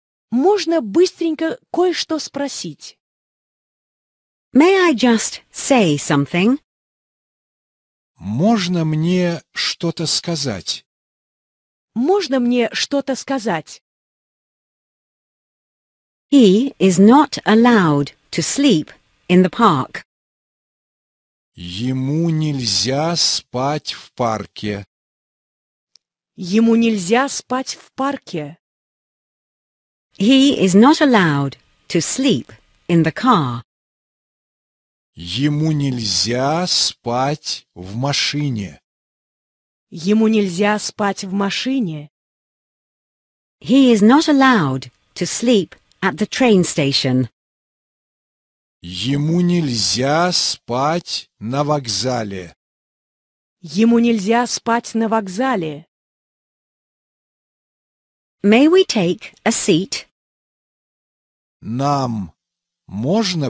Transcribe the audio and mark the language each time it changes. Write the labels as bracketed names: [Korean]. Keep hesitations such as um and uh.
[Russian] Можно быстренько кое-что спросить. [English] May I just say something? [Russian] Можно мне что-то сказать? Можно мне что-то сказать? [English] He is not allowed to sleep in the park. [Russian] Ему нельзя спать в парке. Ему нельзя спать в парке. [English] He is not allowed to sleep in the car. [Russian] Ему нельзя спать в машине. Ему нельзя спать в машине. [English] He is not allowed to sleep at the train station. [Russian] Ему нельзя спать на вокзале. Ему нельзя спать на вокзале. [English] May we take a seat? [Russian] Нам можно